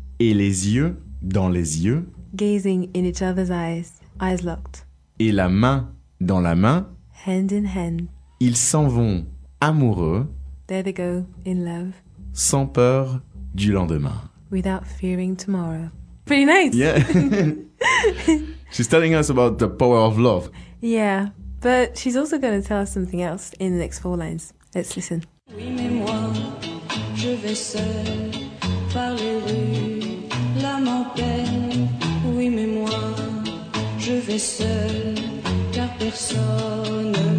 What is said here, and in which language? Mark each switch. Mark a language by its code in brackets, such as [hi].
[fr] Et les yeux dans les yeux. [en] Gazing in each other's eyes, eyes locked. [fr] Et la main dans la main. [en] Hand in hand. [fr] Ils s'en vont amoureux. [en] There they go, in love. [fr] Sans peur du lendemain. [en] Without fearing tomorrow. Pretty nice! Yeah. She's telling us about the power of love. Yeah, but she's also going to tell us something else in the next four lines. Let's listen. [fr] Oui, mais moi, je vais seul par les rues, l'âme en peine. Oui, mais moi, je vais seul car personne.